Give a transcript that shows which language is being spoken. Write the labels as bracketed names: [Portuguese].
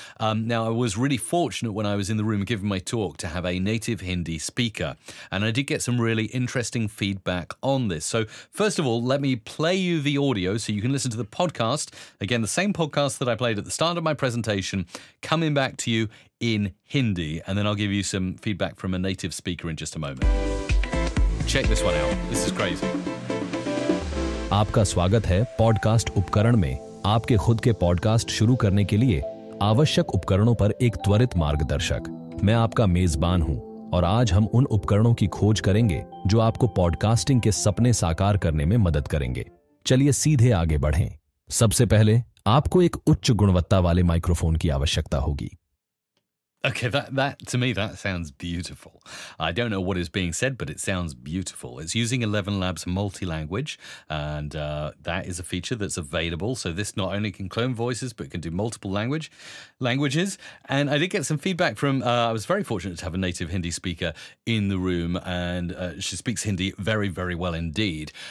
[English] Now, I was really fortunate when I was in the room giving my talk to have a native Hindi speaker, and I did get some really interesting feedback on this. So first of all, let me play you the audio so you can listen to the podcast. Again, the same podcast that I played at the start of my presentation, coming back to you in Hindi, and then I'll give you some feedback from a native speaker in just a moment. Check this one out. This is crazy. [Hindi] आपका स्वागत है podcast उपकरण में आपके खुद के podcast शुरू करने के लिए आवश्यक उपकरणों पर एक त्वरित मार्गदर्शक मैं आपका मेजबान हूं और आज हम उन उपकरणों की खोज करेंगे जो आपको पॉडकास्टिंग के सपने साकार करने में मदद करेंगे चलिए सीधे आगे बढ़ें सबसे पहले आपको एक उच्च गुणवत्ता वाले माइक्रोफोन की आवश्यकता होगी [English] Okay, that to me, that sounds beautiful. I don't know what is being said, but it sounds beautiful. It's using 11 Labs multi-language, and that is a feature that's available. So this not only can clone voices, but can do multiple languages. And I did get some feedback from, I was very fortunate to have a native Hindi speaker in the room, and she speaks Hindi very, very well indeed.